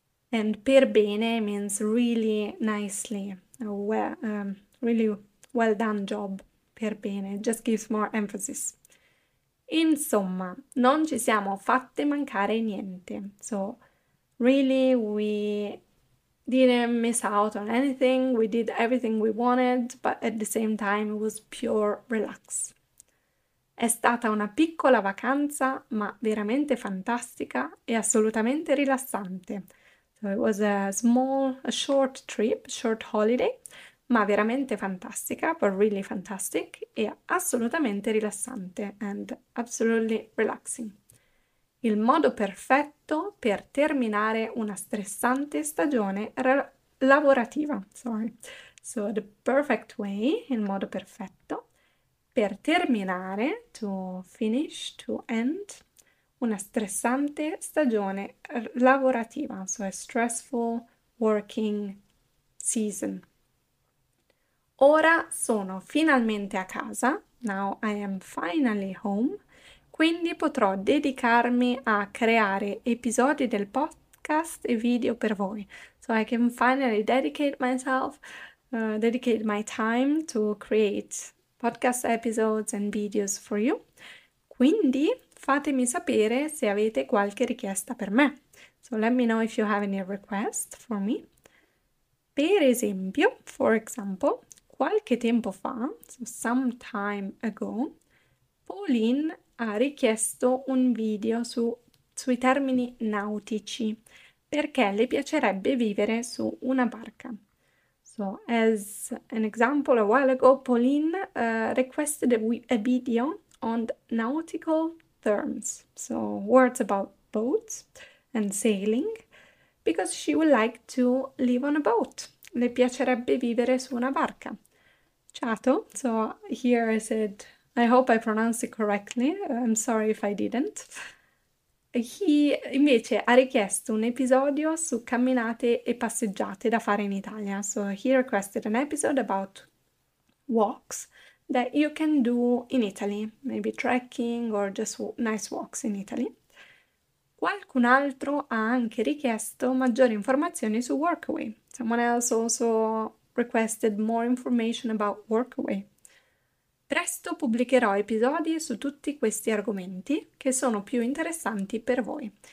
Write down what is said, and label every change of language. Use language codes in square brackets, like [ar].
[en] And per bene means really nicely, well, really well done job, per bene, just gives more emphasis. [it] Insomma, non ci siamo fatte mancare niente. [en] So, really, we didn't miss out on anything. We did everything we wanted, but at the same time, it was pure relax. [it] È stata una piccola vacanza, ma veramente fantastica e assolutamente rilassante. [en] So, it was a short holiday, [it] ma veramente fantastica, [en] but really fantastic, [it] e assolutamente rilassante, [en] and absolutely relaxing. [it] Il modo perfetto per terminare una stressante stagione lavorativa. [en] Sorry. So the perfect way, [it] il modo perfetto, per terminare, [en] to finish, to end, [it] una stressante stagione lavorativa. [en] So a stressful working season. [it] Ora sono finalmente a casa, [en] now I am finally home, [it] quindi potrò dedicarmi a creare episodi del podcast e video per voi. [en] So I can finally dedicate my time to create podcast episodes and videos for you. [it] Quindi fatemi sapere se avete qualche richiesta per me. [en] So let me know if you have any request for me. [it] Per esempio, [en] for example, [it] qualche tempo fa, [en] so some time ago, [it] Pauline ha richiesto un video sui termini nautici perché le piacerebbe vivere su una barca. [en] So, as an example, a while ago, Pauline requested a video on nautical terms, so words about boats and sailing, because she would like to live on a boat. [it] Le piacerebbe vivere su una barca. [en] Chato, so here I said, I hope I pronounced it correctly. I'm sorry if I didn't. [it] He invece ha richiesto un episodio su camminate e passeggiate da fare in Italia. [en] So he requested an episode about walks that you can do in Italy, maybe trekking or just nice walks in Italy. [it] Qualcun altro ha anche richiesto maggiori informazioni su Workaway. [en] Someone else also requested more information about Workaway. [it] Presto pubblicherò episodi su tutti questi argomenti che sono più interessanti per voi.